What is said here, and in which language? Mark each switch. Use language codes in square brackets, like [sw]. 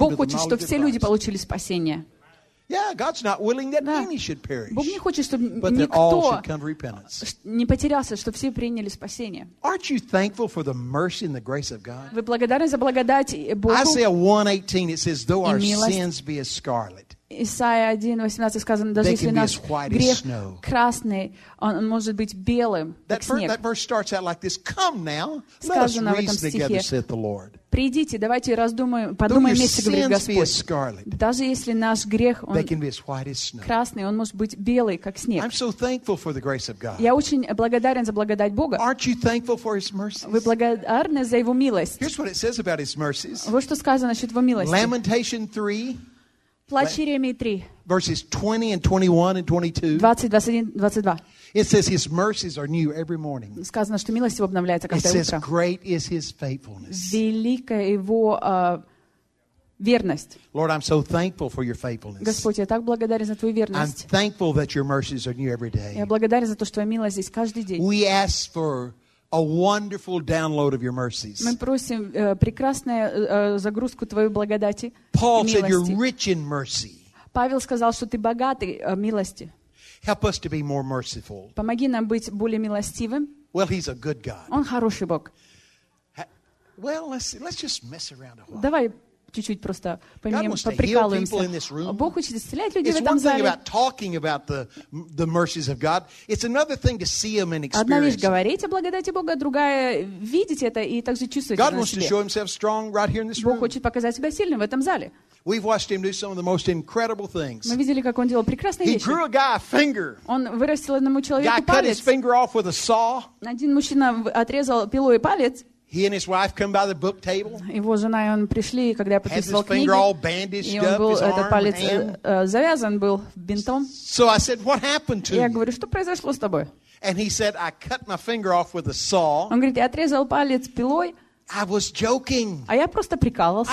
[ru] Бог хочет, чтобы все люди получили спасение. [en] Yeah, God's not willing that any should perish. [ru] Бог не хочет, чтобы никто [en] But that all should come to repentance. [ru] Не потерялся, чтобы все приняли спасение. [en] Aren't you thankful for the mercy and the grace of God? [ru] Вы благодарны за благодать Бога? [en] Isaiah 1:18 it says, though our sins be as scarlet. [ru] Исайя 1:18 сказано, даже если наш грех красный, он может быть белым, как снег. [en] That verse starts out like this: Come now, [ru] сказано [en] let us reason together, saith the Lord. [ru] Придите, давайте раздумаем, подумаем вместе, говорит Господь. [en] Scarlet, [ru] даже если наш грех он красный, он может быть белый, как снег. [en] I'm so thankful for the grace of God. [ru] Я очень благодарен за благодать Бога. [en] Aren't you thankful for His mercies? [ru] Вы благодарны за Его милость? [en] Here's what it says about His mercies. [ru] Вот что сказано насчет Его милости. [en] Lamentation 3. [ru] Плач Иеремии 3. [en] Verses 20 and 21 and 22. [ru] 20, 21-22. [en] It says his mercies are new every morning. [ru] Сказано, что милость его обновляется каждое утро. [en] It says great is his faithfulness. [ru] Велика его верность. [en] Lord, I'm so thankful for your faithfulness. [ru] Господь, я так благодарен за твою верность. [en] I'm thankful that your mercies are new every day. [ru] Я благодарен за то, что твоя милость здесь каждый день. [en] We ask for a wonderful download of your mercies. [ru] Мы просим прекрасную загрузку твоей благодати. [en] Paul said you're rich in mercy. [ru] Павел сказал, что ты богатый милости. [en] Help us to be more merciful. [ru] Помоги нам быть более милостивым. [en] Well, he's a good God. [ru] Он хороший Бог. [en] Well, let's just mess around a while. [ru] Давай чуть-чуть просто поменяем, поприкалываемся. Бог хочет исцелять людей в этом зале. Одна вещь — говорить о благодати Бога, другая — видеть это и также чувствовать на себе. Бог хочет показать себя сильным в этом зале. [en] We've watched him do some of the most incredible things. [ru] Мы видели, как он делал прекрасные вещи. [en] He grew a guy a finger. [ru] Он вырастил одному человеку палец. [en] Guy cut his finger off with a saw. [ru] Один мужчина отрезал пилой палец. [en] He and his wife come by the book table. [ru] Его жена и он пришли, когда я подписывал книги. [en] Has his finger all bandaged up, his arm, hand. [ru] И этот палец завязан был бинтом. [en] So I said, "What happened to you?" [ru] Я говорю, что произошло с тобой? [en] And he said, "I cut my finger off with a saw." [ru] Он говорит, я отрезал палец пилой. [en] I was joking. [ru] А я просто прикалывался.